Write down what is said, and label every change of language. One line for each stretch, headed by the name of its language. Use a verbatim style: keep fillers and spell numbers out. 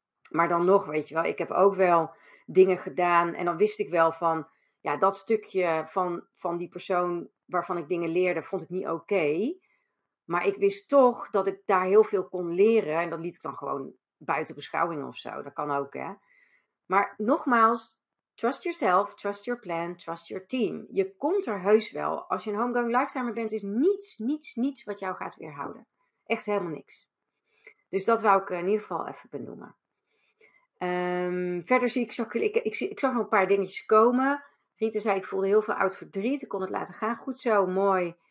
Dutch: Maar dan nog, weet je wel, ik heb ook wel dingen gedaan. En dan wist ik wel van, ja, dat stukje van, van die persoon waarvan ik dingen leerde, vond ik niet oké. Maar ik wist toch dat ik daar heel veel kon leren. En dat liet ik dan gewoon buiten beschouwing of zo. Dat kan ook, hè. Maar nogmaals,
English: trust yourself, trust your plan, trust your team.
Dutch: Je komt er heus wel. Als je een homegrown lifetimer bent, is niets, niets, niets wat jou gaat weerhouden. Echt helemaal niks. Dus dat wou ik eh, in ieder geval even benoemen. Ehm, verder zie ik, Jacqueline- ik, ik, zie- ik zag nog een paar dingetjes komen. Rita zei, ik voelde heel veel oud verdriet. Ik kon het laten gaan. Goed zo, mooi.